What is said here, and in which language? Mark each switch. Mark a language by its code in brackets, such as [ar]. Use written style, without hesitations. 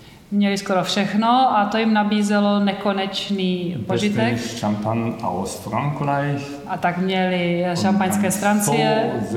[cs] Měli skoro všechno a to jim nabízelo nekonečný požitek. [de] Champagn aus Frankreich. [cs] A tak měli šampaňské z Francie.